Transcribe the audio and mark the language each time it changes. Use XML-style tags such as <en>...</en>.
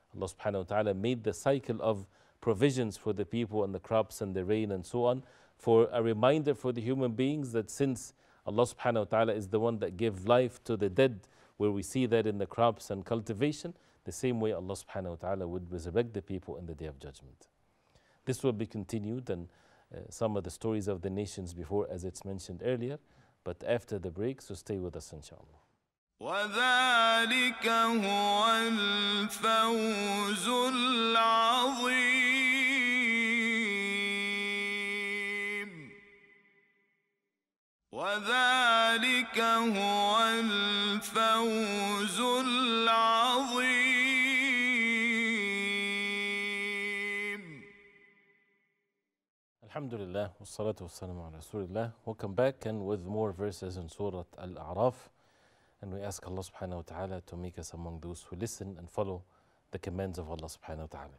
<en>Allah subhanahu wa ta'ala made the cycle of provisions for the people and the crops and the rain and so on, for a reminder for the human beings that since Allah subhanahu wa ta'ala is the one that gave life to the dead, where we see that in the crops and cultivation, the same way Allah subhanahu wa ta'ala would resurrect the people in the Day of Judgment. This will be continued, and some of the stories of the nations before, as it's mentioned earlier, but after the break, so stay with us inshallah.</en> <ar>وذلك هو الفوز العظيم وذلك هو الفوز العظيم الحمد لله والصلاة والسلام على رسول الله.</ar> <en>Welcome back, and with more verses in Surah Al-A'raf. And we ask Allah subhanahu wa ta'ala to make us among those who listen and follow the commands of Allah subhanahu wa ta'ala.</en>